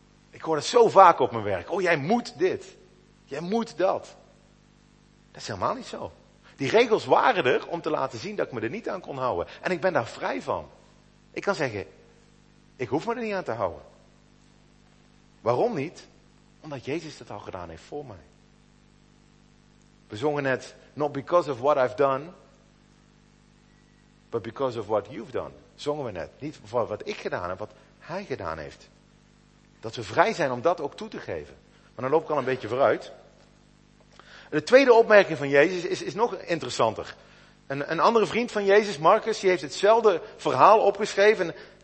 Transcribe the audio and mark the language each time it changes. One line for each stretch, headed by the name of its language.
Dutch: Ik hoor dat zo vaak op mijn werk. Oh, jij moet dit. Jij moet dat. Dat is helemaal niet zo. Die regels waren er om te laten zien dat ik me er niet aan kon houden. En ik ben daar vrij van. Ik kan zeggen, ik hoef me er niet aan te houden. Waarom niet? Omdat Jezus dat al gedaan heeft voor mij. We zongen net,
English: not because of what I've done, but because of what you've done.
Dutch: Zongen we net. Niet voor wat ik gedaan heb, wat hij gedaan heeft. Dat we vrij zijn om dat ook toe te geven. Maar dan loop ik al een beetje vooruit. De tweede opmerking van Jezus is nog interessanter. Een andere vriend van Jezus, Marcus, die heeft hetzelfde verhaal opgeschreven.